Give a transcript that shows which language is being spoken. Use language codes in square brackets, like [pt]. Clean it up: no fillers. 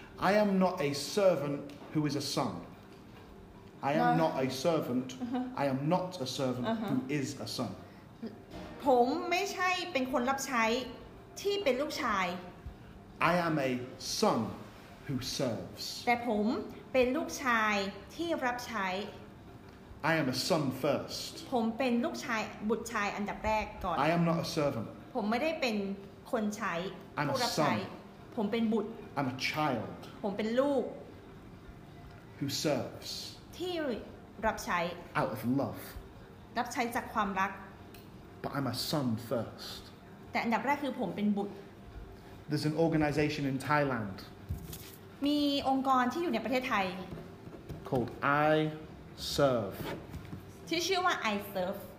[en] I am not a servant who is a son I am not a servant I am not a servant who is a son [th] ผมไม่ใช่เป็นคนรับใช้ที่เป็นลูกชาย [en] I am a sonWho serves? [th] แต่ผมเป็นลูกชายที่รับใช้ [en] I am a son first. [th] ผมเป็นลูกชายบุตรชายอันดับแรกก่อน [en] I am not a servant. [th] ผมไม่ได้เป็นคนใช้ผู้รับ ใช้ผมเป็นบุตร [en] I'm a child. [th] ผมเป็นลูก [en] Who serves? [th] ที่รับใช้ [en] Out of love. [th] รับใช้จากความรัก [en] But I'm a son first. [th] แต่อันดับแรกคือผมเป็นบุตร [en] There's an organization in Thailand. [th] มีองค์กรที่อยู่ในประเทศไทย [en] called I serve [th] ที่ชื่อว่า [en] I serve